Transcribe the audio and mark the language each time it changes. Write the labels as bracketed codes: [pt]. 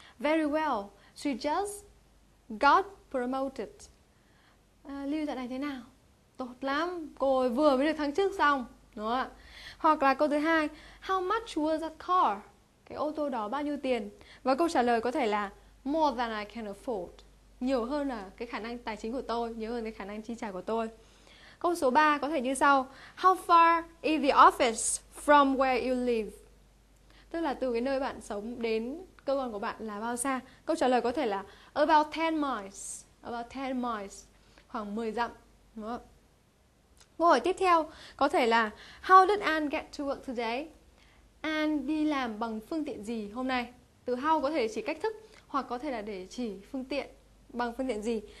[en] Very well. She just got promoted. Liu [vi] dạo này thế nào? Tốt lắm. Cô ấy vừa mới được thăng chức xong, đúng không ạ? Hoặc là câu thứ hai. [en] How much was that car? [vi] Cái ô tô đó bao nhiêu tiền? Và câu trả lời có thể là [en] more than I can afford. [vi] Nhiều hơn là cái khả năng tài chính của tôi, nhiều hơn cái khả năng chi trả của tôi. Câu số 3 có thể như sau. [en] How far is the office from where you live? [vi] Tức là từ cái nơi bạn sống đến cơ quan của bạn là bao xa? Câu trả lời có thể là [en] about 10 miles. About 10 miles. [vi] Khoảng 10 dặm. Đúng không? Câu hỏi tiếp theo có thể là [en] How did Anne get to work today? [vi] Anne đi làm bằng phương tiện gì hôm nay? Từ how có thể chỉ cách thức hoặc có thể là để chỉ phương tiện. Bằng phương tiện gì?